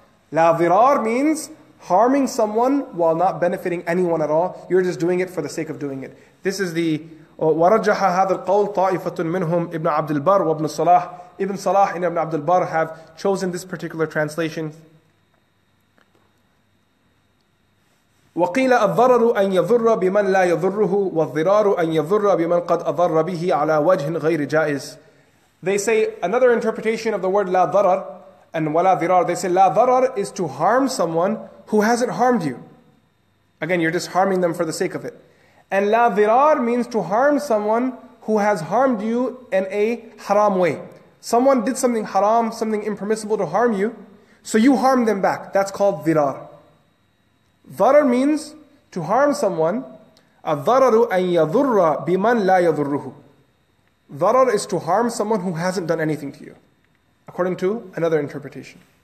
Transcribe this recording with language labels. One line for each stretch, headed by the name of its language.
English: La dirar means harming someone while not benefiting anyone at all. You're just doing it for the sake of doing it. This is the
Arabic: وَرَجَّحَ هَذَا الْقَوْلِ طَائِفَةٌ مِّنْهُمْ إِبْنَ عَبْدِ الْبَرْ وَابْنُ صَلَاحِ
English: Ibn Salah and Ibn Abd al-Barr have chosen this particular translation.
Arabic: وَقِيلَ الضَّرَرُ أَن يَضُرَّ بِمَنْ لَا يَضُرُّهُ وَالضِّرَارُ أَن يَضُرَّ بِمَنْ قَدْ أَضَرَّ بِهِ عَلَى وَجْهٍ غَيْرِ جَائِزٍ
English: They say another interpretation of the word لَا ضَرَرْ and وَلَا ضِرَارْ They say لَا ضَرَرْ is to harm someone who hasn't harmed you. Again, you're just harming them for the sake of it. And لَا ضِرَارْ means to harm someone who has harmed you in a haram way. Someone did something haram, something impermissible to harm you, so you harm them back. That's called dirar. Dharar means to harm someone.
Arabic: الضَرَرُ أَن يَضُرَّ بِمَنْ لَا يَضُرُّهُ
English: Dharar is to harm someone who hasn't done anything to you, according to another interpretation.